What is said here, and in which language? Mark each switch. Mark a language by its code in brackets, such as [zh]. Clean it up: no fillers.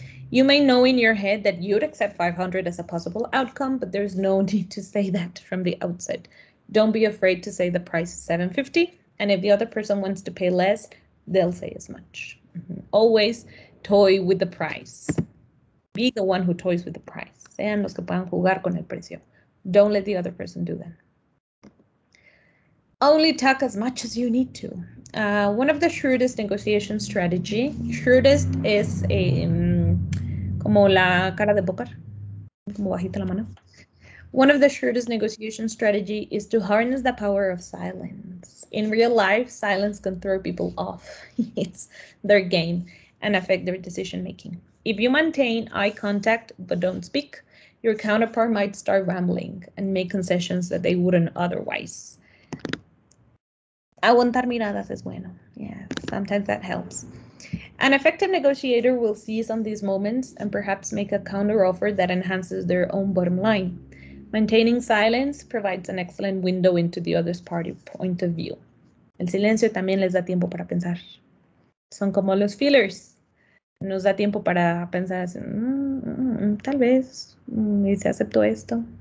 [en] You may know in your head that you'd accept 500 as a possible outcome, but there's no need to say that from the outset. Don't be afraid to say the price is 750. And if the other person wants to pay less, they'll say as much. Mm-hmm. Always toy with the price. Be the one who toys with the price. [es] Sean los que puedan jugar con el precio. [en] Don't let the other person do that. Only talk as much as you need to. One of the shrewdest negotiation strategy. Shrewdest is a, [es] como la cara de poker. Como bajita la mano. [en] One of the shrewdest negotiation strategy is to harness the power of silence. In real life, silence can throw people off. It's their game and affect their decision making. If you maintain eye contact but don't speak, your counterpart might start rambling and make concessions that they wouldn't otherwise. [es] Aguantar miradas es bueno. [en] Yeah, sometimes that helps. An effective negotiator will seize on these moments and perhaps make a counteroffer that enhances their own bottom line. Maintaining silence provides an excellent window into the other's party point of view. [es] El silencio también les da tiempo para pensar. Son como los feelers. Nos da tiempo para pensar, tal vez, y se aceptó esto.